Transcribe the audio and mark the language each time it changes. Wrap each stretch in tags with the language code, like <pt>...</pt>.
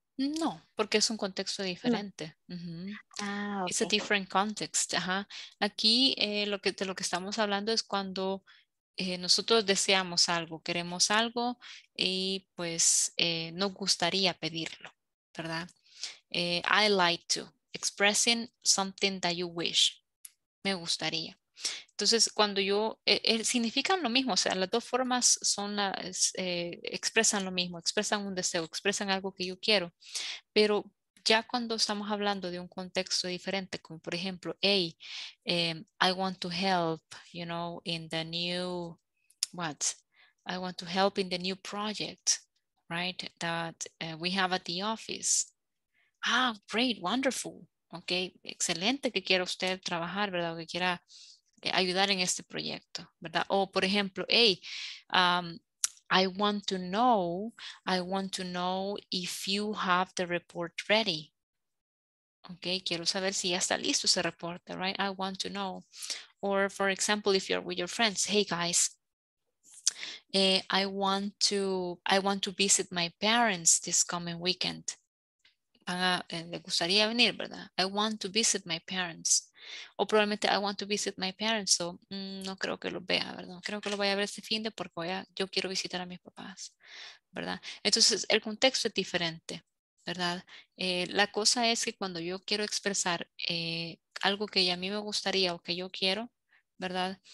<es>No, porque es un contexto diferente. No. Uh-huh. Ah,</es> <en>okay. It's a different context. Ajá.</en> <es>Aquí lo que estamos hablando es cuando nosotros deseamos algo, queremos algo y pues nos gustaría pedirlo, ¿verdad?</es> <en>I like to, expressing something that you wish.</en> <es>Me gustaría. Entonces, cuando yo, significan lo mismo, o sea, las dos formas son las, expresan lo mismo, expresan un deseo, expresan algo que yo quiero, pero ya cuando estamos hablando de un contexto diferente, como por ejemplo,</es> <en>hey, I want to help, you know, in the new, what? I want to help in the new project, right, that we have at the office.</en> <es>Ah,</es> <en>great, wonderful,</en> <es>okay, excelente que quiera usted trabajar, ¿verdad? O que quiera ayudar en este proyecto, ¿verdad? O por ejemplo,</es> <en>hey, I want to know if you have the report ready.</en> <es>Okay, quiero saber si ya está listo ese reporte, right?</es> <en>I want to know. Or for example, if you're with your friends, hey guys, I want to visit my parents this coming weekend.</en> <es>Le gustaría venir, ¿verdad?</es> <en>I want to visit my parents.</en> <es>O probablemente</es> <en>I want to visit my parents,</en> <es>so no creo que lo vea, ¿verdad? No creo que lo vaya a ver este fin de porque yo quiero visitar a mis papás, ¿verdad? Entonces el contexto es diferente, ¿verdad? La cosa es que cuando yo quiero expresar algo que a mí me gustaría o que yo quiero, ¿verdad?</es>